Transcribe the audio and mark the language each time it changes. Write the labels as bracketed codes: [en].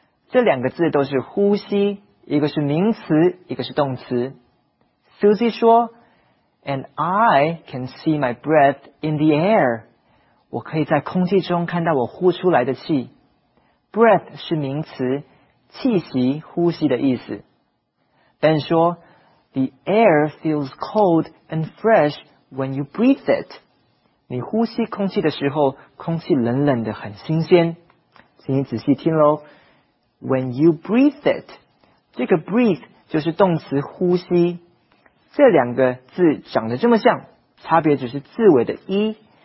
[zh] 这两个字都是呼吸，一个是名词，一个是动词。 [en] Susie [zh] 说 [en] ，And I can see my breath in the air. [zh] 我可以在空气中看到我呼出来的气。 Breath 是名词，气息、呼吸的意思。 [en] Ben [zh] 说 [en] ，The air feels cold and fresh when you breathe it. [zh] 你呼吸空气的时候，空气冷冷的，很新鲜。请你仔细听咯。 [en] When you breathe it, [zh] 这个 breathe 就是动词呼吸。这两个字长得这么像，差别只是字尾的 e。